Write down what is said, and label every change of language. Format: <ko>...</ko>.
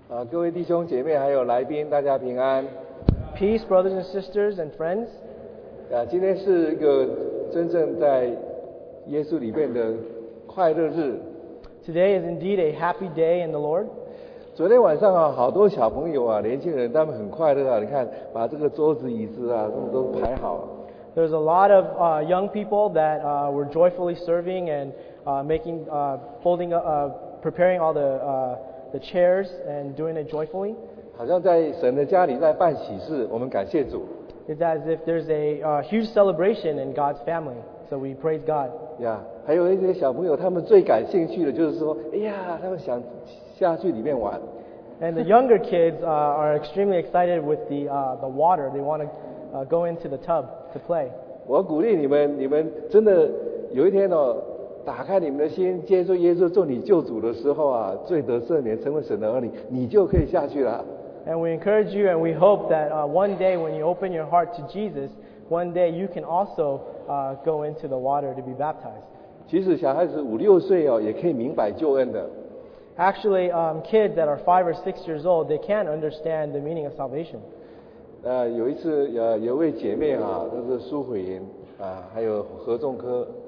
<zh>各位弟兄姐妹还有来宾，大家平安。</zh> <en>Peace, brothers and sisters and friends.</en> <zh>今天是一个真正在耶稣里面的快乐日。</zh> <en>Today is indeed a happy day in the Lord.</en> <zh>昨天晚上啊，好多小朋友啊，年轻人，他们很快乐啊。你看，把这个桌子椅子啊，他们都排好了。</zh> <en>There's a lot of young people that were joyfully serving and making, folding, preparing all the chairs and doing it joyfully.</en> <zh>好像在神的家里在办喜事，我们感谢主。</zh> <en>It's as if there's a huge celebration in God's family, so we praise God.</en> <zh>Yeah, 还有一些小朋友，他们最感兴趣的就是说，哎呀，他们想下去里面玩。</zh> <en>And the younger kids are extremely excited with the water. They want to go into the tub to play.</en> <zh>我鼓励你们，你们真的有一天哦。打开你们的心，接受耶稣做你救主的时候啊，罪得赦免，成为神的儿女，你就可以下去了。</zh> <en>And we encourage you, and we hope that one day when you open your heart to Jesus, one day you can also go into the water to be baptized.</en> <zh>其实小孩子五六岁哦，也可以明白救恩的。</zh> <en>Actually, kids that are 5 or 6 years old, they can understand the meaning of salvation.</en> <zh>有一次有位姐妹啊，就是苏慧莹啊，还有何仲科。</zh>